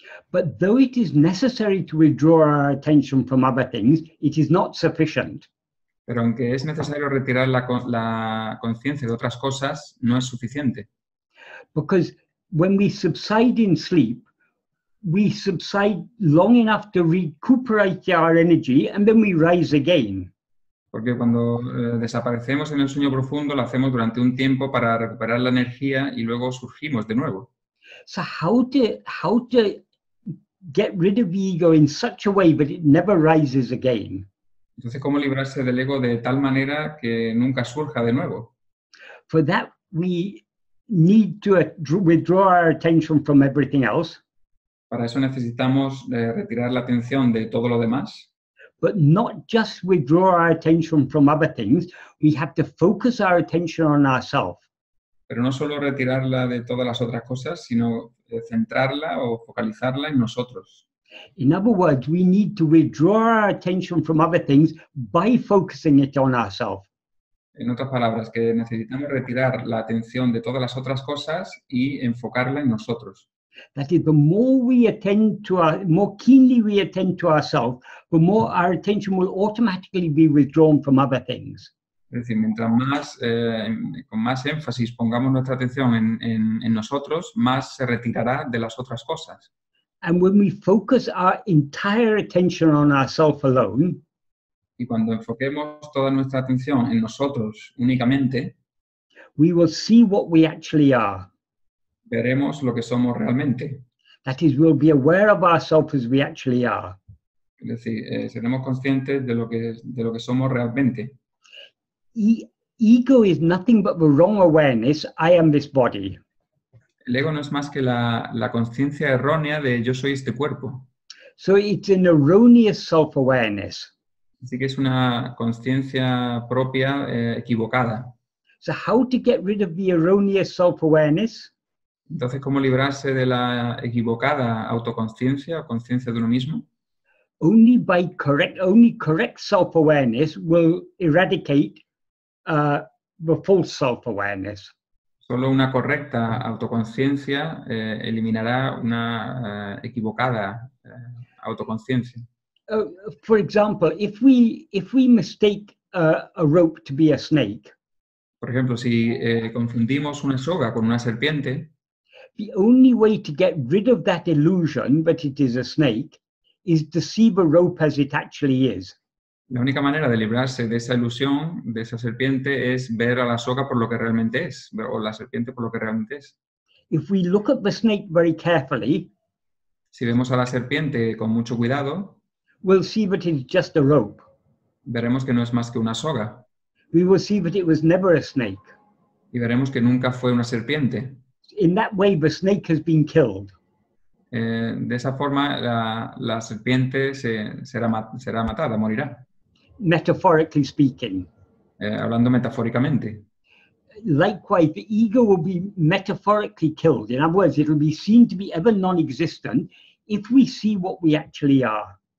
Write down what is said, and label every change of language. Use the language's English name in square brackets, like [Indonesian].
[English] But though it is necessary to withdraw our attention from other things, it is not sufficient. [Spanish] Pero aunque es necesario retirar la conciencia de otras cosas, no es suficiente. [English] Because when we subside in sleep, we subside long enough to recuperate our energy, and then we rise again. [Spanish] Porque cuando desaparecemos en el sueño profundo, lo hacemos durante un tiempo para recuperar la energía y luego surgimos de nuevo. [English] So how to get rid of ego in such a way that it never rises again? [Spanish] Entonces, ¿cómo librarse del ego de tal manera que nunca surja de nuevo? [English] For that, we need to withdraw our attention from everything else. [Spanish] Para eso necesitamos retirar la atención de todo lo demás. [English] But not just withdraw our attention from other things, we have to focus our attention on ourselves. [Spanish] Pero no solo retirarla de todas las otras cosas, sino centrarla o focalizarla en nosotros. [English] In other words, we need to withdraw our attention from other things by focusing it on ourselves. [Spanish] En otras palabras, que necesitamos retirar la atención de todas las otras cosas y enfocarla en nosotros. [English] That is, the more we attend to more keenly we attend to ourselves, the more our attention will automatically be withdrawn from other things. [Spanish] Es decir, mientras más con más énfasis pongamos nuestra atención en nosotros, más se retirará de las otras cosas. [English] And when we focus our entire attention on ourselves alone, [Spanish] y cuando enfoquemos toda nuestra atención en nosotros únicamente, [English] we will see what we actually are. [Spanish] Veremos lo que somos realmente. [English] That is, we'll be aware of ourselves as we actually are. [Spanish] Es decir, seremos conscientes de lo que somos realmente. [English] Ego is nothing but the wrong awareness, I am this body. [Spanish] El ego no es más que la conciencia errónea de yo soy este cuerpo. [English] So it's an erroneous self-awareness. [Spanish] Así que es una conciencia propia equivocada. [English] So how to get rid of the erroneous self-awareness? [Spanish] Entonces, ¿cómo librarse de la equivocada autoconciencia o conciencia de uno mismo? [English] Only correct self-awareness will eradicate the false self-awareness. [Spanish] Solo una correcta autoconciencia eliminará una equivocada autoconciencia. [English] For example, if we mistake a rope to be a snake. [Spanish] Por ejemplo, si confundimos una soga con una serpiente. [English] The only way to get rid of that illusion that it is a snake is to see the rope as it actually is. [Spanish] La única manera de librarse de esa ilusión, de esa serpiente, es ver a la soga por lo que realmente es, o la serpiente por lo que realmente es. [English] If we look at the snake very carefully, [Spanish] si vemos a la serpiente con mucho cuidado, [English] we'll see that it's just a rope. [Spanish] Veremos que no es más que una soga. [English] We will see that it was never a snake. [Spanish] Y veremos que nunca fue una serpiente. [English] In that way, the snake has been killed. [Spanish] De esa forma, la serpiente será matada, morirá. [English] Metaphorically speaking. [Spanish] Hablando metafóricamente. [English] Likewise, the ego will be metaphorically killed. In other words, it will be seen to be ever non-existent if we see what we actually are.